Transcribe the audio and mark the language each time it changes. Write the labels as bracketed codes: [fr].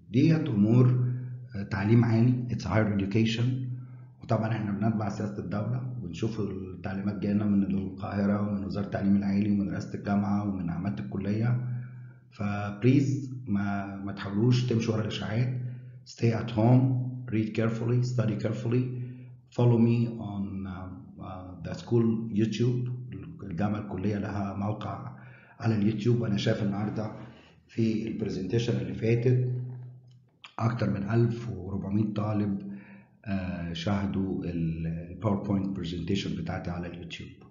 [en] ديت امور تعليم عالي، اتس هاير اديوكيشن. [ar] وطبعا احنا بنتبع سياسه الدوله ونشوف التعليمات جاينا من القاهره ومن وزاره التعليم العالي ومن رئاسه الجامعه ومن عماده الكليه. فبليز ما تحاولوش تمشوا ورا الاشاعات. [en] stay at home, read carefully, study carefully, follow me on the school youtube. [ar] الجامعه الكليه لها موقع على اليوتيوب. انا شايف النهارده في البرزنتيشن اللي فاتت اكتر من 1400 طالب شاهدوا الباوربوينت برزنتيشن بتاعتي على اليوتيوب.